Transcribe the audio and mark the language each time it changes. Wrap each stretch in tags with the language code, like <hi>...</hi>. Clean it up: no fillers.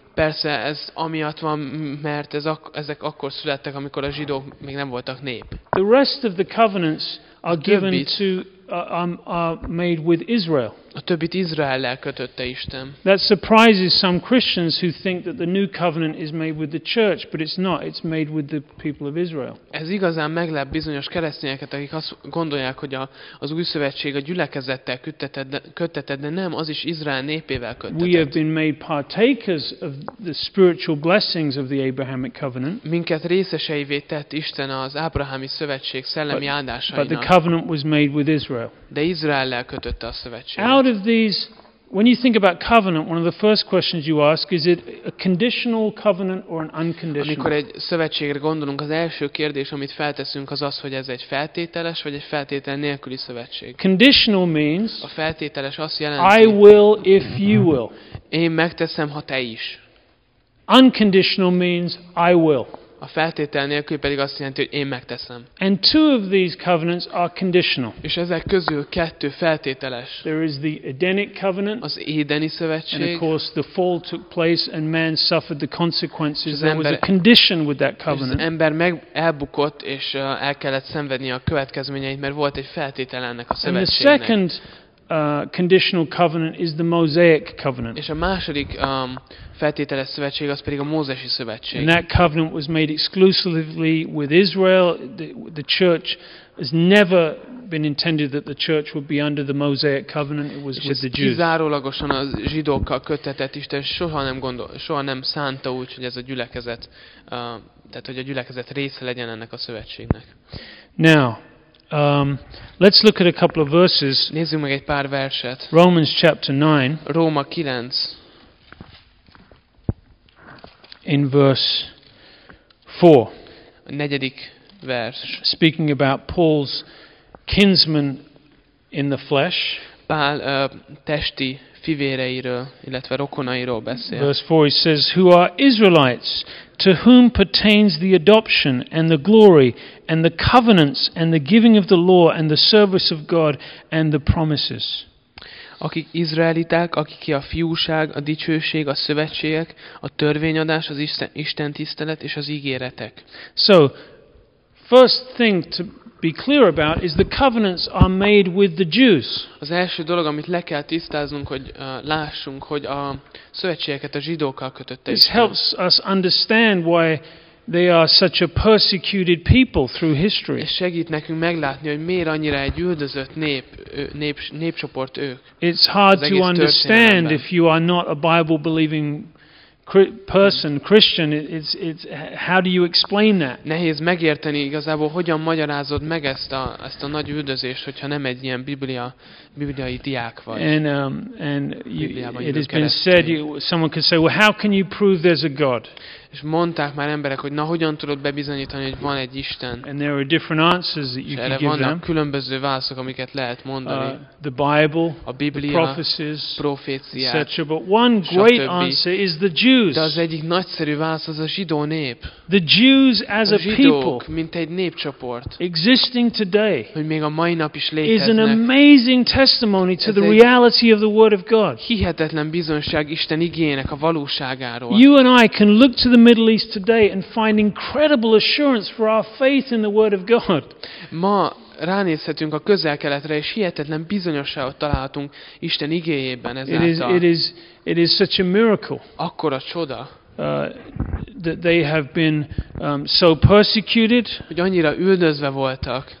<hu>Persze ez amiatt van, mert ezek akkor születtek, amikor a zsidók még nem voltak nép.</hu> <en>The rest of the covenants are given to are made with Israel.</en> <hu>A többit Izraellel kötötte Isten.</hu> <en>That surprises some Christians who think that the new covenant is made with the church, but it's not. It's made with the people of Israel.</en> <hu>Ez igazán meglep bizonyos keresztényeket, akik azt gondolják, hogy az új szövetség a gyülekezettel kötetett, de nem, az is Izrael népével kötetett.</hu> <en>We have been made partakers of the spiritual blessings of the Abrahamic covenant.</en> <hu>Minket részeseivé tett Isten az ábrahámi szövetség szellemi áldásainak.</hu> <en>But the covenant was made with Israel.</en> <hu>De Izraellel kötötte a szövetség.</hu> <en>Out of these, when you think about covenant, one of the first questions you ask is it a conditional covenant or an unconditional?</en> <hu>Amikor egy szövetségre gondolunk, az első kérdés, amit felteszünk, az az, hogy ez egy feltételes vagy egy feltétel nélküli szövetség.</hu> <en>Conditional means</en> <hu>a feltételes azt jelenti,</hu> <en>I will if you will.</en> <hu>Én megteszem, ha te is.</hu> <en>Unconditional means I will.</en> <hu>A feltétel nélkül pedig azt jelenti, hogy én megteszem.</hu> <en>And two of these covenants are conditional.</en> <hu>És ezek közül kettő feltételes.</hu> <en>There is the Edenic covenant.</en> <hu>Az Édeni szövetség.</hu> <en>And of course the fall took place and man suffered the consequences. There was a condition with that covenant.</en> <hu>Az ember elbukott és el kellett szenvedni a következményeit, mert volt egy feltétel ennek a szövetségnek.</hu> <en>And the second conditional covenant is the Mosaic covenant.</en> <hu>És a második feltételes szövetség az pedig a Mózesi szövetség.</hu> <en>And that covenant was made exclusively with Israel. The church has never been intended that the church would be under the Mosaic covenant. It was with the Jews.</en> <hu>És kizárólagosan a zsidókkal kötetett Isten soha nem szánta úgy, hogy ez a gyülekezet, tehát hogy a gyülekezet része legyen ennek a szövetségnek.</hu> <en>Now, let's look at a couple of verses.</en> <hu>Nézzünk meg egy pár verset.</hu> <en>Romans chapter 9.</en> <hu>Róma 9.</hu> <en>In verse 4.</en> <hu>A negyedik vers.</hu> <en>Speaking about Paul's kinsman in the flesh.</en> <hu>Pál testi fivéreiről, illetve rokonairól beszél.</hu> <en>Verse 4 says, who are Israelites, to whom pertains the adoption and the glory and the covenants and the giving of the law and the service of God and the promises.</en> <hu>Akik izraeliták, akiké a fiúság, a dicsőség, a szövetségek, a törvényadás, az Isten tisztelet és az ígéretek.</hu> <en>So, first thing to be clear about is the covenants are made with the Jews.</en> <hu>Az első dolog, amit le kell tisztáznunk, hogy lássunk, hogy a szövetségeket a zsidókkal kötötte</hu> <en>Isten. It helps us understand why they are such a persecuted people through history.</en> <hu>És segít nekünk meglátni, hogy miért annyira egy üldözött népcsoport ők.</hu> <en>It's hard to understand if you are not a Bible believing person, Christian, it's how do you explain that?</en> <hu>Nehéz megérteni igazából, hogyan magyarázod meg ezt a nagy üldözést, hogyha nem egy ilyen bibliai diák vagy.</hu> <en>And it has been said, someone could say, well, how can you prove there's a God?</en> <hu>És mondták már emberek, hogy na, hogyan tudod bebizonyítani, hogy van egy Isten?</hu> <en>And there are different answers that you can give them.</en> <hu>Vannak különböző válaszok, amiket lehet mondani.</hu> <en>The Bible,</en> <hu>a Biblia,</hu> <en>the prophecies,</en> <hu>proféciák,</hu> <en>etc. But one great answer is the Jews.</en> <hu>De az egyik nagyszerű válasz az a zsidó nép.</hu> <en>The Jews as a people,</en> <hu>mint egy népcsoport,</hu> <en>existing today,</en> <hu>hogy még a mai nap is léteznek,</hu> <en>is an amazing testimony to the reality of the Word of God.</en> <hu>Hihetetlen bizonyság Isten igéjének a valóságáról.</hu> <en>You and I can look to the Middle East today and find incredible assurance for our faith in the Word of God.</en> <hu>Ma ránézhetünk a Közel-Keletre, és hihetetlen bizonyosságot találhatunk Isten igéjében ezáltal.</hu> <en>It is such a miracle.</en> <hu>Akkora csoda.</hu> <en>That they have been so persecuted.</en> <hu>Hogy annyira üldözve voltak.</hu>